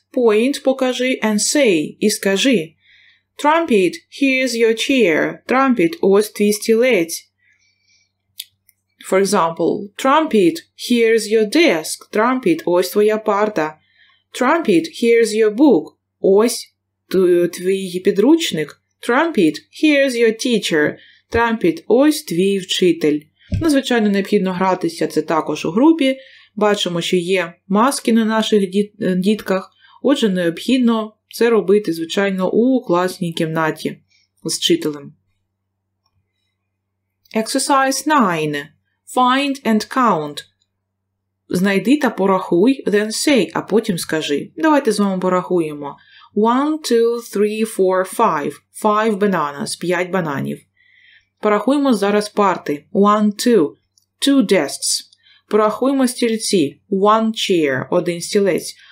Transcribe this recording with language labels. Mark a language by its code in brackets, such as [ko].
[en] Point, [uk] покажи, [en] and say, [uk] і скажи. [en] Trumpet, here's your chair. [uk] Trumpet, ось твій стілець. [en] For example, trumpet, here's your desk. [uk] Trumpet, ось твоя парта. [en] Trumpet, here's your book. [uk] Ось твій підручник. [en] Trumpet, here's your teacher. [uk] Trumpet, ось твій вчитель. Ну, звичайно, необхідно гратися, це також у групі. Бачимо, що є маски на наших дітках, отже, необхідно це робити, звичайно, у класній кімнаті з вчителем. [en] Exercise 9. Find and count. [uk] Знайди та порахуй, [en] then say, [uk] а потім скажи. Давайте з вами порахуємо. [en] 1, 2, 3, 4, 5. 5 bananas. [uk] 5 бананів. Порахуємо зараз парти. 1, 2. [en] 2 desks. [uk] Порахуємо стільці. [en] 1 chair. [uk] 1 стілець.